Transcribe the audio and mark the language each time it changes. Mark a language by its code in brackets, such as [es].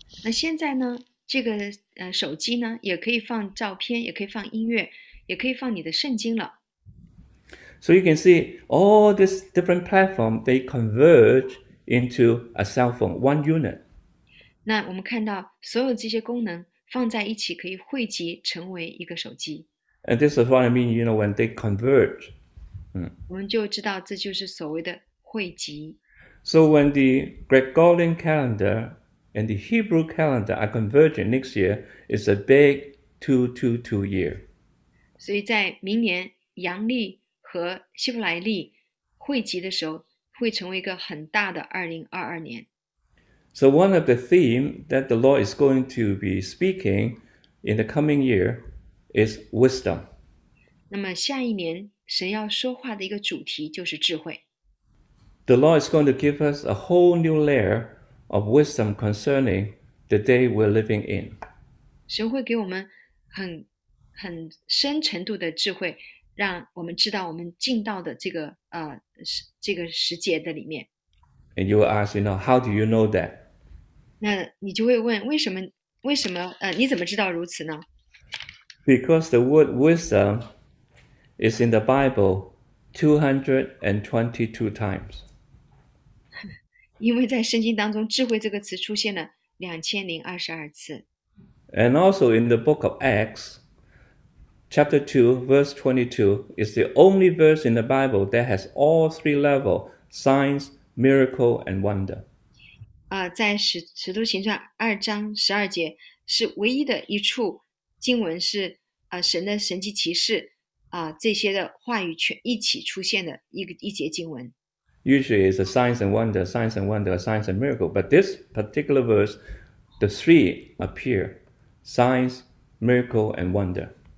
[zh] 那现在呢？这个手机呢，也可以放照片，也可以放音乐，也可以放你的圣经了。 [en] So you can see all these different platforms, they converge into a cell phone, one unit. [zh] 那我们看到所有这些功能放在一起，可以汇集成为一个手机。 [en] And this is what I mean, when they converge. [zh] 我们就知道这就是所谓的汇集。 [en] So when the Gregorian calendar And the Hebrew calendar I converted next year is a big 222 year. [zh] 所以在明年阳历和希伯来历汇集的时候，会成为一个很大的2022年。 [en] So one of the themes that the Lord is going to be speaking in the coming year is wisdom. [zh] 那么下一年神要说话的一个主题就是智慧。 [en] The Lord is going to give us a whole new layer of wisdom concerning the day we're living in. [zh] 神会给我们很深程度的智慧，让我们知道我们进到的这个世界的里面。 [en] And you will ask, you know, how do you know that? [zh] 那你就会问，为什么你怎么知道如此呢？ [en] Because the word wisdom is in the Bible 222 times. [zh] 因为在圣经当中，智慧这个词出现了2022次。 [en] And also in the book of Acts, chapter 2, verse 22, is the only verse in the Bible that has all three levels, signs, miracle, and wonder. [zh] 在使徒行传2章12节是唯一的一处经文是神的神迹奇事这些的话语全一起出现的一节经文。 [en] Usually it's a signs and wonder, signs and wonder, signs and miracle. But this particular verse, the three appear, signs, miracle, and wonder.